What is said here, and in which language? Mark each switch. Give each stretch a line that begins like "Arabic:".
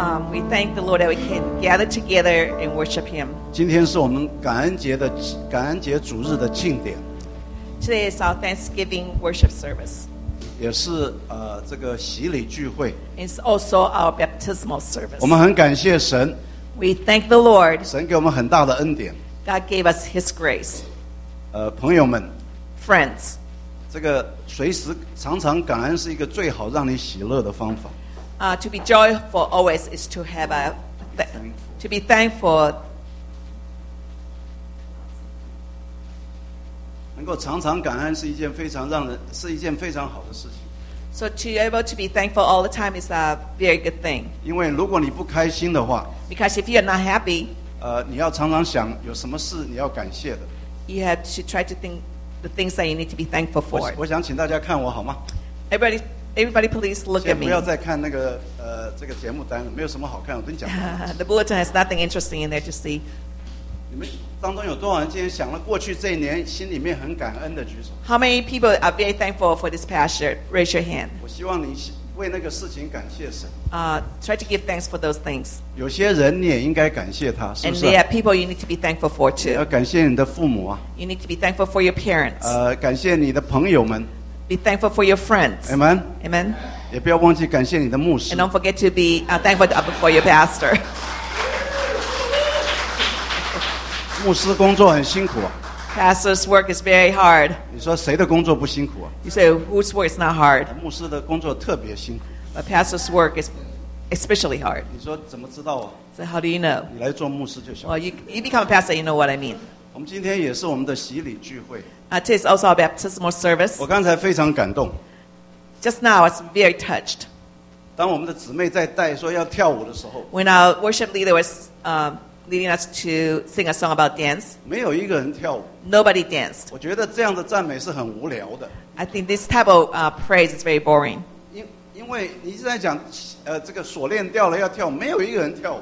English: We thank the Lord that we can gather together and worship Him.
Chinese: 今天是我们感恩节主日的庆典。
English: Today is our Thanksgiving worship service.
Chinese: 也是这个洗礼聚会。
English: It's also our baptismal service.
Chinese: 我们很感谢神。
English: We thank the Lord.
Chinese: 神给我们很大的恩典。
English: God gave us His grace.
Chinese: 朋友们。
English: Friends.
Chinese: 这个随时常常感恩是一个最好让你喜乐的方法。
English: To be joyful always is to have a to be thankful.
Chinese: 能够常常感恩是一件非常非常好的事情。
English: So to be able to be thankful all the time is a very good thing.
Chinese: 因为如果你不开心的话
English: ，because if you're not happy,
Chinese: 你要常常想有什么事你要感谢的。
English: You have to try to think the things that you need to be thankful for.
Chinese: 我想请大家看我好吗
English: ？Everybody. Everybody, please look at me.
Chinese: 先不要再看那个这个节目单，没有什么好看。我跟你讲。
English: The bulletin has nothing interesting in there to see.
Chinese: 你们当中有多少人今天想了过去这一年，心里面很感恩的举手
English: ？How many people are very thankful for this past year? Raise your hand.
Chinese: 我希望你为那个事情感谢神。
English: Try to give thanks for those things.
Chinese: 有些人你也应该感谢他，是不是
English: ？And there are people you need to be thankful for too.
Chinese: 要感谢你的父母啊。
English: You need to be thankful for your parents.
Chinese: 感谢你的朋友们。
English: Be thankful for your friends. Amen. Amen.
Chinese: 也不要忘记感谢你的牧师。
English: And don't forget to be thankful for your pastor.
Chinese: 牧师工作很辛苦。
English: Pastor's work is very hard.
Chinese: 你说谁的工作不辛苦啊？
English: You say whose work is not hard?
Chinese: 牧师的工作特别辛苦。
English: But pastor's work is especially hard.
Chinese: 你说怎么知道啊？
English: So how do you know?
Chinese: 你来做牧师就行。
English: Well, you become a pastor, you know what I mean.
Chinese: 我们今天也是我们的洗礼聚会。
English: Today is also our baptismal service.
Chinese: 我刚才非常感动。
English: Just now, I was very touched.
Chinese: 当我们的姊妹在带说要跳舞的时候
English: ，When our worship leader was leading us to sing a song about dance,
Chinese: 没有一个人跳舞。
English: Nobody danced.
Chinese: 我觉得这样的赞美是很无聊的。
English: I think this type of praise is very boring.
Chinese: 因为你一直在讲这个锁链掉了要跳舞，没有一个人跳舞。